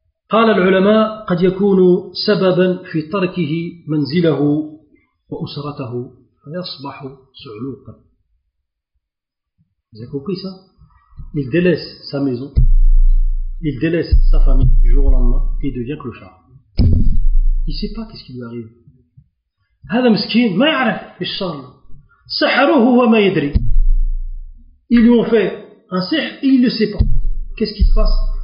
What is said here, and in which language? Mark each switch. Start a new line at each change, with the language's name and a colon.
Arabic: قال العلماء قد يكون سببا في تركه منزله وأسرته فيصبح سعلوقا.
French: Vous avez compris ça? Il délaisse sa maison, il délaisse sa famille du jour au lendemain et devient clochard. Il ne sait pas qu'est-ce qui lui arrive.
Arabic: هذا مسكين ما يعرف إيش صار. سحره هو ما يدري.
French: Ils lui ont fait un sihr et il ne sait pas. Qu'est-ce qui se passe?